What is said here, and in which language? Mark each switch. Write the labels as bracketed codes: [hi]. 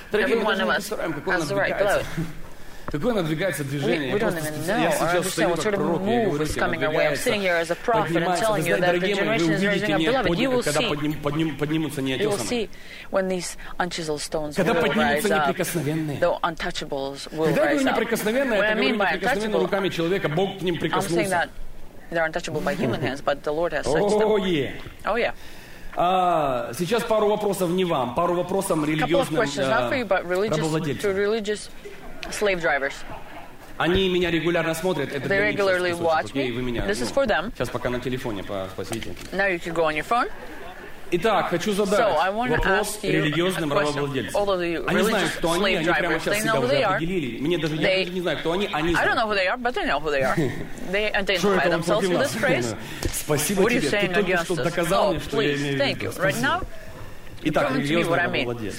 [en] Everyone of us has the right. [ru] Какое надвигается движение? [en] We don't even know. [ru] Я сейчас стою как пророк, я говорю, что надвигается. [en] I'm sitting here as a prophet and telling you that the generation is rising up. Beloved, you will see. [ru] Поднимутся неотесанные. [en] You will see when these unchiseled stones will rise up. [ru] Когда поднимутся неприкосновенные. [en] The untouchables will rise up. [ru] Когда говорю неприкосновенные, это говорю неприкосновенные руками человека, Бог к ним прикоснулся. [en] I'm saying that they're untouchable by human hands, but the Lord has touched them. Oh yeah. Oh yeah. [ru] Сейчас пару вопросов не вам, пару вопросов религиозным рабовладельцам. [en] Slave drivers. [ru] Они меня регулярно смотрят. [en] They regularly watch me. [ru] Вы меня, [en] This is for them. [ru] Сейчас пока на телефоне поспросите. [en] Now you can go on your phone. [ru] Итак, хочу задать вопрос религиозным рабовладельцам. Они знают, кто они. Они прямо сейчас себя уже определили. Мне даже я даже не знаю, кто они. Они. [en] I don't know who they are, but they know who they are. They identify themselves with this phrase. [ru] Спасибо тебе. Ты только что доказал мне, что я имею в виду. [en] Right now. [ru] Итак, религиозный рабовладелец.